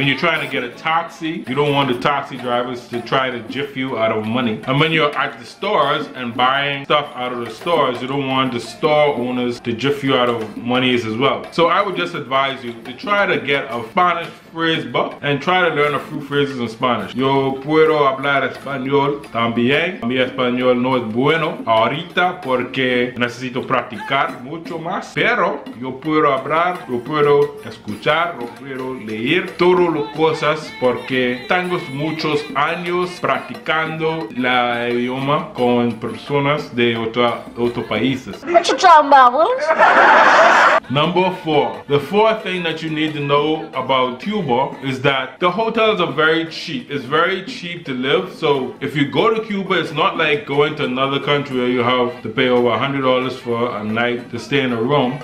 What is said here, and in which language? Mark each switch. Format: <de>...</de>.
<en>When you're trying to get a taxi, you don't want the taxi drivers to try to jiff you out of money. And when you're at the stores and buying stuff out of the stores, you don't want the store owners to jiff you out of money as well. So I would just advise you to try to get a Spanish phrase book and try to learn a few phrases in Spanish.</en> <es>Yo puedo hablar español también. Mi español no es bueno ahorita porque necesito practicar mucho más. Pero yo puedo hablar, yo puedo escuchar, yo puedo leer todas las cosas porque tengo muchos años practicando el idioma con personas de otros países.</es> <en>What you talking about? Number four, the fourth thing that you need to know about Cuba is that the hotels are very cheap. It's very cheap to live. So if you go to Cuba, it's not like going to another country where you have to pay over $100 for a night to stay in a room.</en>